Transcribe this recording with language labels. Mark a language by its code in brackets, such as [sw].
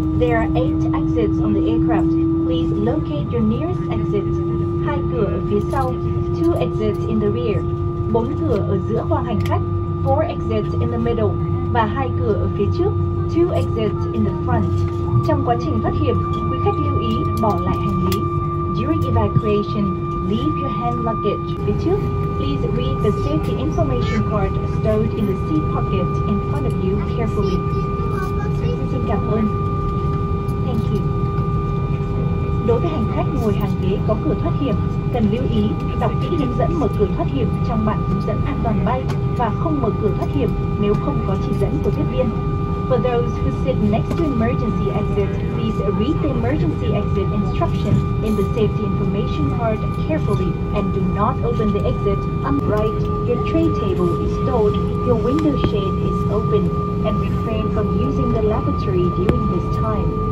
[en] There are 8 exits on the aircraft. Please locate your nearest exit. [vi] 2 cửa ở phía sau. [en] 2 exits in the rear. [vi] 4 cửa ở giữa khoang hành khách. [en] 4 exits in the middle. [vi] Và 2 cửa ở phía trước. [en] 2 exits in the front. [vi] Trong quá trình thoát hiểm, quý khách lưu ý bỏ lại hành lý. [en] During evacuation, leave your hand luggage [vi] phía trước. [en] Please read the safety information card stowed in the seat pocket in front of you carefully. [vi] Xin cảm ơn. [en] Thank you. [vi] Đối với hành khách ngồi hàng ghế có cửa thoát hiểm, cần lưu ý đọc kỹ hướng dẫn mở cửa thoát hiểm trong bản hướng dẫn an toàn bay và không mở cửa thoát hiểm nếu không có chỉ dẫn của tiếp viên. [en] For those who sit next to emergency exit, please read the emergency exit instruction in the safety information card carefully and do not open the exit. Right, your tray table is stowed, your window shade is open, and refrain from using the lavatory during this time.